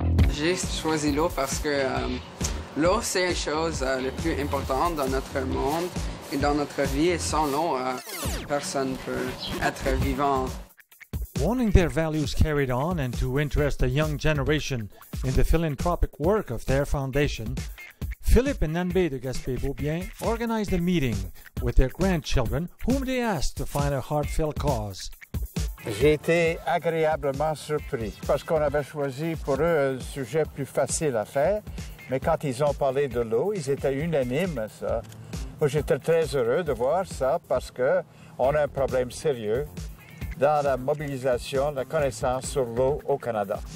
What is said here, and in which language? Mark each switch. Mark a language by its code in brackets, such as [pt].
[fr] J'ai choisi l'eau parce que l'eau, c'est la chose la plus importante dans notre monde et dans notre vie. Et sans l'eau, personne ne peut être vivant. [en] Wanting their values carried on and to interest a young generation in the philanthropic work of their foundation, Philippe and Nanbe de Gaspé-Beaubien organized a meeting with their grandchildren, whom they asked to find a heartfelt cause. [fr] J'ai été agréablement surpris parce qu'on avait choisi pour eux un sujet plus facile à faire, mais quand ils ont parlé de l'eau, ils étaient unanimes. Ça. Moi, j'étais très heureux de voir ça parce qu'on a un problème sérieux dans la mobilisation de la connaissance sur l'eau au Canada.